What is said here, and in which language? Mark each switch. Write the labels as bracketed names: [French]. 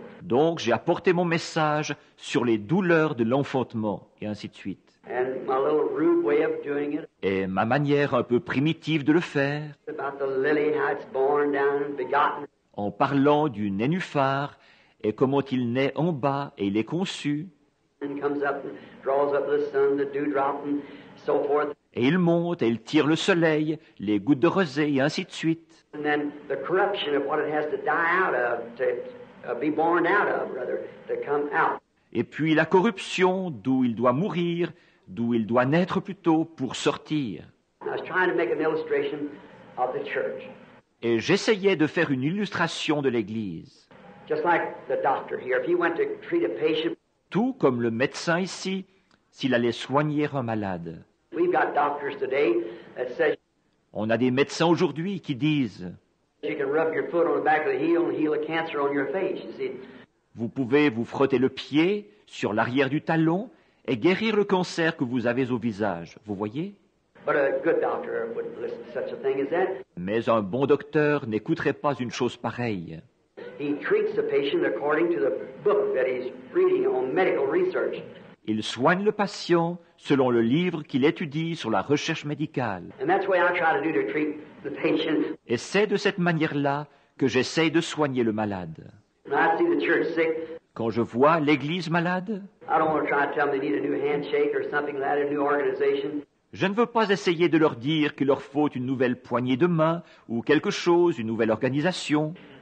[French] Donc, j'ai apporté mon message sur les douleurs de l'enfantement, et ainsi de suite. [English] And my little rude way of doing it. [French] Et ma manière un peu primitive de le faire. [English] About the lily, how it's born down and begotten. [French] En parlant du nénuphar et comment il naît en bas et il est conçu. [English] And comes up and draws up the sun, the dew drop and so forth. [French] Et il monte et il tire le soleil, les gouttes de rosée et ainsi de suite. [English] And then the corruption of what it has to die out of, to be born out of, rather, to come out. [French] Et puis la corruption d'où il doit mourir, d'où il doit naître plutôt pour sortir. [English] And I was trying to make an illustration of the church. [French] Et j'essayais de faire une illustration de l'Église. [English] Just like the doctor here, if he went to treat a patient, [French] tout comme le médecin ici, s'il allait soigner un malade. [English] We've got doctors today that says, [French] on a des médecins aujourd'hui qui disent, [English] you can rub your foot on the back of the heel and heal a cancer on your face, you see. [French] Vous pouvez vous frotter le pied sur l'arrière du talon et guérir le cancer que vous avez au visage. Vous voyez? [English] But a good doctor wouldn't listen to such a thing as that. [French] Mais un bon docteur n'écouterait pas une chose pareille. [English] He treats the patient according to the book that he's reading on medical research. [French] Il soigne le patient selon le livre qu'il étudie sur la recherche médicale. [English] And that's what I try to do to treat the patient. [French] Et c'est de cette manière-là que j'essaye de soigner le malade. [English] When I see the church sick, [French] quand je vois l'église malade, [English] I don't want to try to tell them they need a new handshake or something like that, a new organization. [French] Je ne veux pas essayer de leur dire qu'il leur faut une nouvelle poignée de main ou quelque chose, une nouvelle organisation.